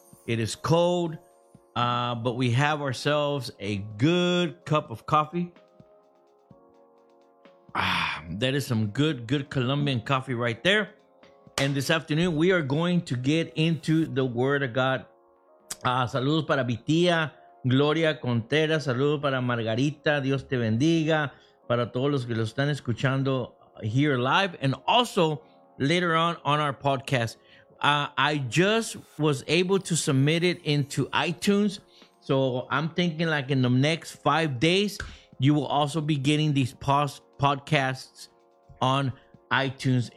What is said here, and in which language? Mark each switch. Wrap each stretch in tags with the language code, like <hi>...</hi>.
<en>It is cold, but we have ourselves a good cup of coffee. That is some good Colombian coffee right there. And this afternoon, we are going to get into the Word of God.</en> <es>Saludos para mi tía, Gloria Contreras. Saludos para Margarita. Dios te bendiga. Para todos los que lo están escuchando</es> <en>here live. And also, later on our podcast, I just was able to submit it into iTunes. So I'm thinking like in the next 5 days, you will also be getting these podcasts on iTunes.</en>